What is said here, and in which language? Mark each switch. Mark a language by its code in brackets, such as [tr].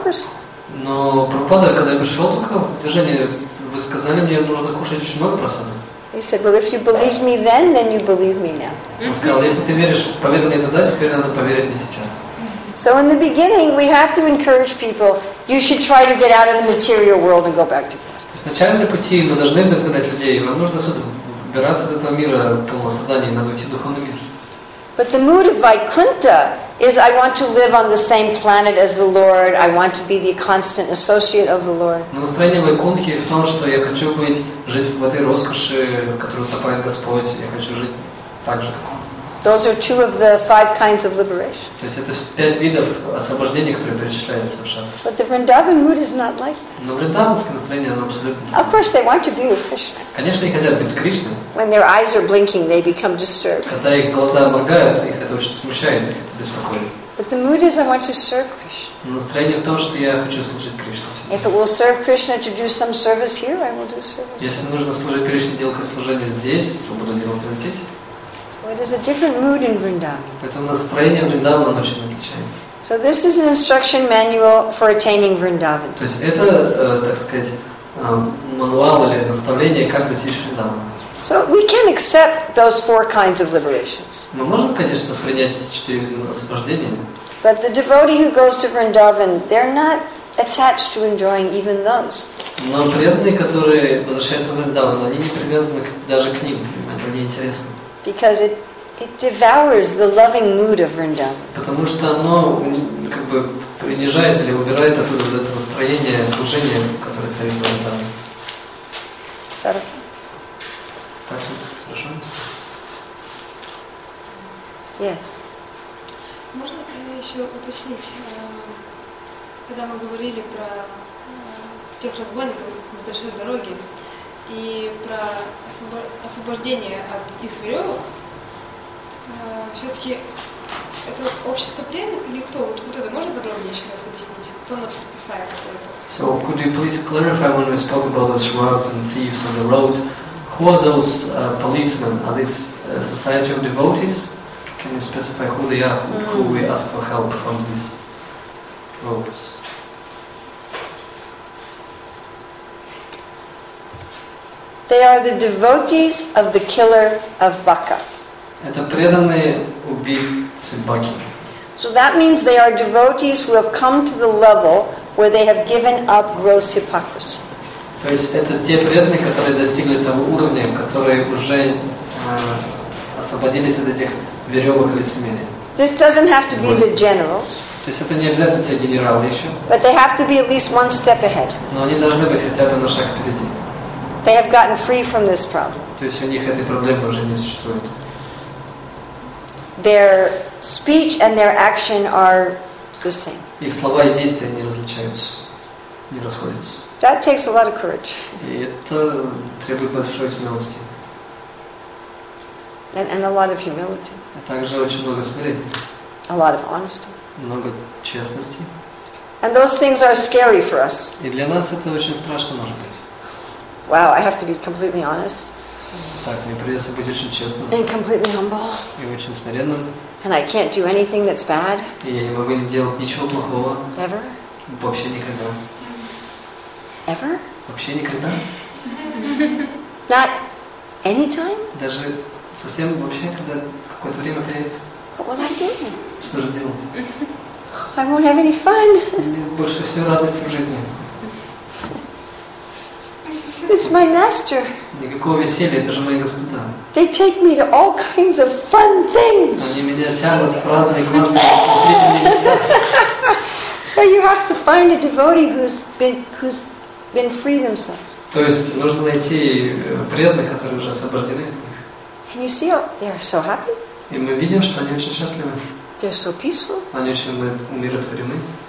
[en] prasadam. He said, well, if you believed me then you believe me now. So in the beginning, we have to encourage people, you should try to get out of the material world and go back to God. [ru] С начального пути мы должны вдохновлять людей. Вам нужно выбираться из этого мира полного страданий, надо уйти в духовный мир. [en] But the mood of Vaikuntha is, I want to live on the same planet as the Lord, I want to be the constant associate of the Lord. [ru] Но настроение Вайкунтхи в том, что я хочу жить в этой роскоши, которую утопает Господь, я хочу жить так же, как Он. [en] Those are two of the five kinds of liberation. [ru] То есть это пять видов освобождения, которые перечисляются в шастрах. [en] But the Vrindavan mood is not like that. [ru] Но вриндаванское настроение оно абсолютно. [en] Of course, they want to be with Krishna. [ru] Конечно, они хотят быть с Кришной. [en] When their eyes are blinking, they become disturbed. [ru] Когда их глаза моргают, их это очень смущает, их это беспокоит. [en] But the mood is, I want to serve Krishna. [ru] Настроение в том, что я хочу служить Кришне. [en] If it will serve Krishna to do some service here, I will do service. [ru] Если нужно служить Кришне, делать какое-то служение здесь, то буду делать его здесь. [en] It is a different mood in Vrindavan. [ru] Поэтому настроение Вриндавана очень отличается. [en] So this is an instruction manual for attaining Vrindavan. [ru] То есть это, так сказать, мануал или наставление, как достичь Вриндавана. [en] So we can accept those four kinds of liberations. [ru] Мы можем, конечно, принять эти четыре освобождения. [en] But the devotee who goes to Vrindavan, they're not attached to enjoying even those. [ru] Но преданные, которые возвращаются в Вриндаван, они не привязаны даже к ним, это не интересно. [en] Because it devours the loving mood of Vrindavan. [ru] Потому что оно как бы принижает или убирает оттуда вот это настроение служения, которое царит в Вриндаване. Сарафи. Так, хорошо. [en] Yes. [ru] Можно еще уточнить, когда мы говорили про тех разбойников на большой дороге и про освобождение от их веревок, все-таки это общество плен или кто? Вот это можно подробнее еще раз объяснить? Кто нас спасает? [en] So could you please clarify when we spoke about those rogues and thieves on the road, who are those policemen? Are this a society of devotees? Can you specify who they are, who we ask for help from these rogues? They are the devotees of the killer of Baka. [ru] Это преданные убийцы Баки. [en] So that means they are devotees who have come to the level where they have given up gross hypocrisy. [ru] То есть это те преданные, которые достигли того уровня, которые уже освободились от этих веревок лицемерия. [en] This doesn't have to be the generals. [ru] То есть это не обязательно те генералы еще. [en] But they have to be at least one step ahead. [ru] Но они должны быть хотя бы на шаг впереди. [en] They have gotten free from this problem. [ru] То есть у них этой проблемы уже не существует. [en] Their speech and their action are the same. [ru] Их слова и действия не различаются, не расходятся. [en] That takes a lot of courage. [ru] И это требует большой смелости. [en] And a lot of humility. [ru] А также очень много смирения. [en] A lot of honesty. [ru] Много честности. [en] And those things are scary for us. [ru] И для нас это очень страшно может быть. [en] Wow, I have to be completely honest. [ru] Так, мне придется быть очень честным. [en] And completely humble. [ru] И очень смиренным. [en] And I can't do anything that's bad. [ru] И я не могу делать ничего плохого. [en] Ever? [ru] Вообще никогда. [en] Ever? [ru] Вообще никогда. [en] Not anytime? [ru] Даже совсем вообще, когда какое-то время появится. [en] What will I do? [ru] Что же делать? [en] I won't have any fun. [ru] Больше всего радости в жизни. [en] It's my master. [ru] Никакого веселья, это же мои господа. [en] They take me to all kinds of fun things. [ru] Они меня тянут в разные классные веселительные места. [en] So you have to find a devotee who's been free themselves. [ru] То есть нужно найти преданных, которые уже освобождены от них. [en] And you see, they are so happy. [ru] И мы видим, что они очень счастливы. [en] They're so peaceful. [ru] Они очень умиротворены.